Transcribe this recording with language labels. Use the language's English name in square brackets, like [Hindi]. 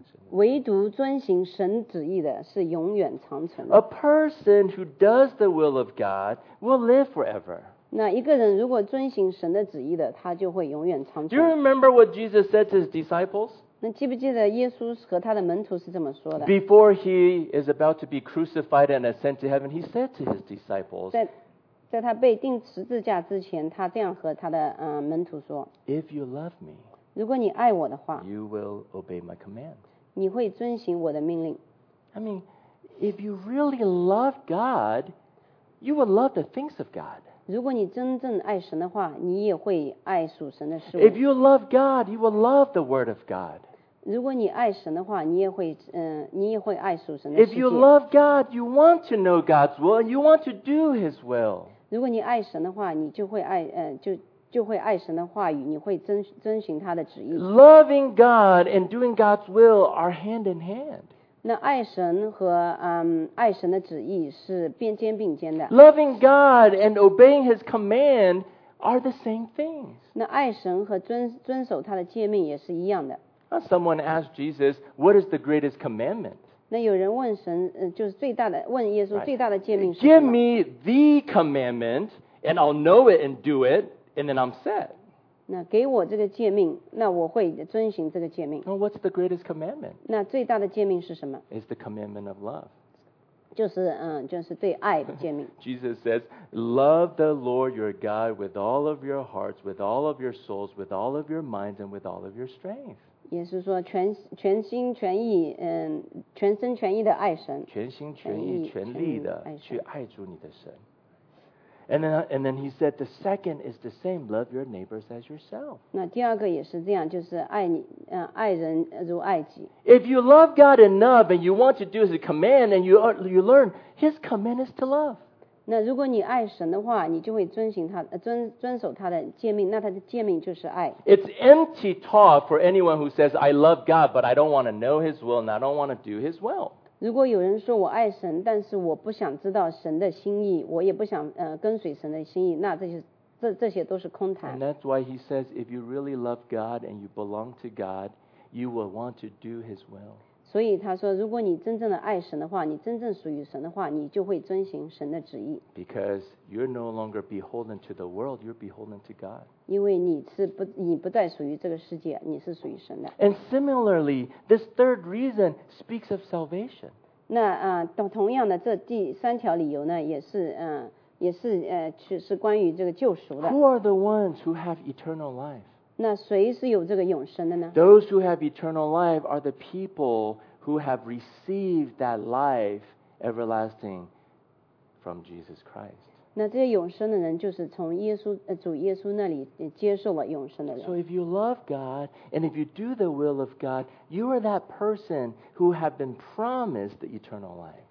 [Chinese] 唯独遵行神旨意的是永远长存的。 [English] A person who does the will of God will live forever. [Chinese] 那一个人如果遵行神的旨意的，他就会永远长存。 [English] Do you remember what Jesus said to his disciples? [Chinese] 那记不记得耶稣和他的门徒是这么说的 [English] ？Before he is about to be crucified and ascend to heaven, he said to his disciples. [Chinese] 在他被钉十字架之前，他这样和他的门徒说 [English] ：“If you love me.” [Chinese] 如果你爱我的话 [English] you will obey my command. [Chinese] 你会遵行我的命令。 [English] I mean, if you really love God, you will love the things of God. [Chinese] 如果你真正爱神的话，你也会爱属神的事物。 [English] If you love God, you will love the word of God. [Chinese] 如果你爱神的话，你也会爱属神的世界。 [English] If you love God, you want to know God's will and you want to do His will. [Chinese] 如果你爱神的话，你就会爱就会爱神的话语，你会遵循他的旨意。 [English] Loving God and doing God's will are hand in hand. [Chinese] 那爱神和爱神的旨意是并肩的。 [English] Loving God and obeying His command are the same things. [Chinese] 那爱神和遵守他的诫命也是一样的。 [English] Someone asked Jesus, "What is the greatest commandment?" [Chinese] 那有人问神，就是最大的问耶稣最大的诫命是什么？ [English] Give me the commandment, and I'll know it and do it. And then I'm set. [Chinese] 那给我这个诫命，那我会遵行这个诫命。 [English] Well, what's the greatest commandment? [Chinese] 那最大的诫命是什么？ [English] It's the commandment of love. [Chinese] 就是对爱的诫命。 [English] Jesus says, love the Lord your God with all of your hearts, with all of your souls, with all of your minds, and with all of your strength. [Chinese] 也是说全心全意全身全意的爱神。全心全意全力的去爱主你的神。 [English] And then he said, the second is the same, love your neighbors as yourself. [Chinese] 那第二个也是这样，就是爱人如爱己。 [English] If you love God enough and you want to do his command and you learn, his command is to love. [Chinese] 那如果你爱神的话，你就会遵守他的诫命，那他的诫命就是爱。 [English] It's empty talk for anyone who says, I love God, but I don't want to know his will and I don't want to do his will. [Chinese] 如果有人说我爱神，但是我不想知道神的心意，我也不想跟随神的心意，那这些都是空谈。 [English] And that's why he says, if you really love God and you belong to God, you will want to do His will. [Chinese] 所以他说，如果你真正的爱神的话，你真正属于神的话，你就会遵行神的旨意。 [English] Because you're no longer beholden to the world, you're beholden to God. [Chinese] 因为你不再属于这个世界，你是属于神的。 [English] And similarly, this third reason speaks of salvation. [Chinese] 那同样的，这第三条理由呢，也是关于这个救赎的。 [English] Who are the ones who have eternal life? [Chinese] 那谁是有这个永生的呢？ [English] Those who have eternal life are the people who have received that life everlasting from Jesus Christ. [Chinese] 那这些永生的人就是从主耶稣那里接受了永生的人。 [English] So if you love God and if you do the will of God, you are that person who have been promised the eternal life.